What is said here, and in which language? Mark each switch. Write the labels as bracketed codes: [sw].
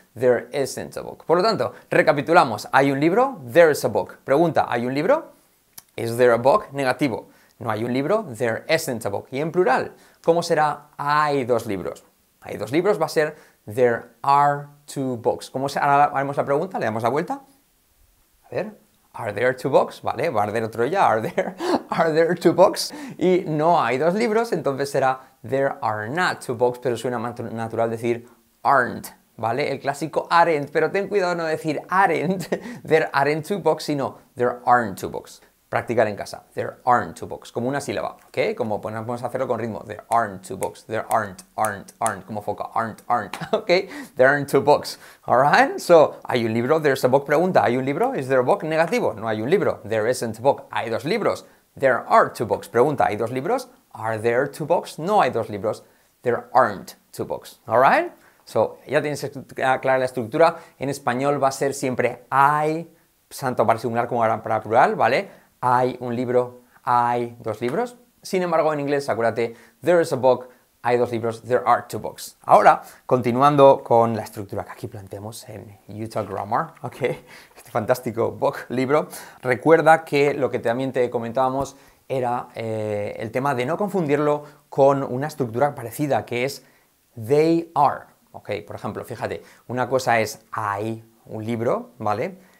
[en] There isn't a book. [es] Por lo tanto, recapitulamos. ¿Hay un libro? [en] There is a book. [es] Pregunta, ¿hay un libro? [en] Is there a book? [es] Negativo. ¿No hay un libro? [en] There isn't a book. [es] Y en plural, ¿cómo será hay dos libros? Hay dos libros, va a ser [en] there are two books. [es] ¿Cómo se, ahora haremos la pregunta, le damos la vuelta. A ver, [en] are there two books? [es] Vale, va a haber otro ya, [en] are there two books? [es] Y no hay dos libros, entonces será [en] there are not two books, [es] pero suena más natural decir aren't, ¿vale? El clásico aren't, pero ten cuidado no decir aren't, [en] there aren't two books, [es] sino there aren't two books. Practicar en casa, [en] there aren't two books, [es] como una sílaba, ¿ok? Como podemos hacerlo con ritmo, there aren't two books, there aren't, como foca, aren't, ¿ok? [en] There aren't two books, alright? So, [es] ¿hay un libro? [en] There's a book, [es] pregunta, ¿hay un libro? [en] Is there a book? [es] Negativo, no hay un libro, [en] there isn't a book, [es] hay dos libros, [en] there are two books, [es] pregunta, ¿hay dos libros? [en] Are there two books? [es] No hay dos libros, [en] there aren't two books, alright? [es] So, ya tienes clara la estructura, en español va a ser siempre hay, tanto para singular como para plural, ¿vale? Hay un libro, hay dos libros. Sin embargo, en inglés, acuérdate, [en] there is a book, [es] hay dos libros, [en] there are two books. [es] Ahora, continuando con la estructura que aquí planteamos en UTalk Grammar, ok, este fantástico book, libro, recuerda que lo que también te comentábamos era el tema de no confundirlo con una estructura parecida, que es they are, ok, por ejemplo, fíjate, una cosa es hay un libro, ¿vale?